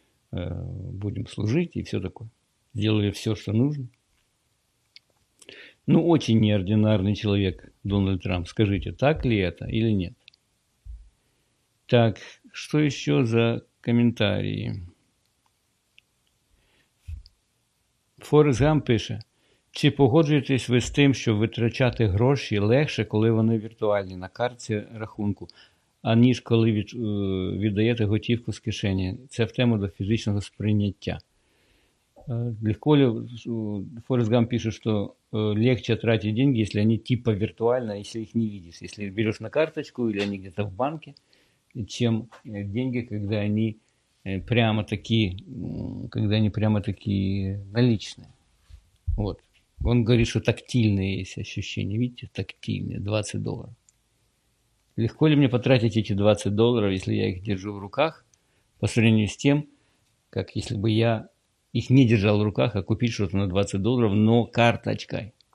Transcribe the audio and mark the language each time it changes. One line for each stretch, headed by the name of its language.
Russian: Будем служить и все такое. Сделали все, что нужно. Ну, очень неординарный человек Дональд Трамп. Скажите, так ли это или нет? Так, что еще за комментарии.
Ukrainian: Форест Гамп пише, чи погоджуєтесь ви з тим, що витрачати гроші легше, коли вони віртуальні, на картці рахунку, аніж коли віддаєте готівку з кишені? Це в тему до фізичного сприйняття.
Russian: Легко ли,
Ukrainian: Форест Гамп пише, що легче тратити деньги, якщо вони типа віртуальні, якщо їх не видиш, якщо береш на карточку, або вони десь в банку, чим деньги, коли вони прямо такие,
Russian: когда они прямо такие наличные. Вот. Он говорит, что тактильные есть ощущения. Видите, тактильные. $20. Легко ли мне потратить эти $20, если я их держу в руках, по сравнению с тем, как если бы я их не держал в руках, а купить что-то на $20, но карточкой.